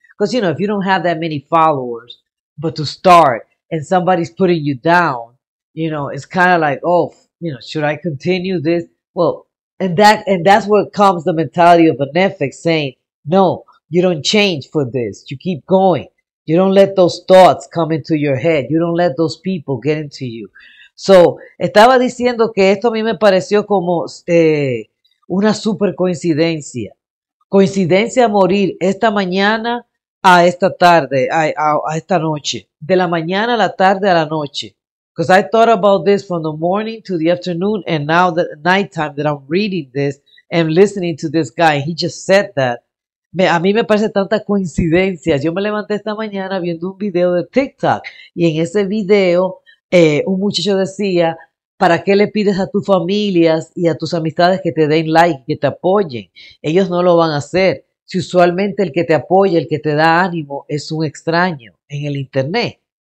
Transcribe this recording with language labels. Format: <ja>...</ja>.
<en>Because, you know, if you don't have that many followers, but to start and somebody's putting you down, you know, it's kind of like, oh, you know, should I continue this? Well, and that's what comes the mentality of a Netflix saying, no, you don't change for this. You keep going. You don't let those thoughts come into your head. You don't let those people get into you.</en> <es>So, estaba diciendo que esto a mí me pareció como una super coincidencia. Coincidencia morir esta mañana a esta tarde, a esta noche. De la mañana a la tarde a la noche.</es> <en>Because I thought about this from the morning to the afternoon, and now the nighttime that I'm reading this and listening to this guy, he just said that.</en> <es>A mí me parece tanta coincidencia. Yo me levanté esta mañana viendo un video de TikTok, y en ese video un muchacho decía, ¿para qué le pides a tus familias y a tus amistades que te den like, que te apoyen? Ellos no lo van a hacer. Si usualmente el que te apoya, el que te da ánimo, es un extraño en el internet.</es>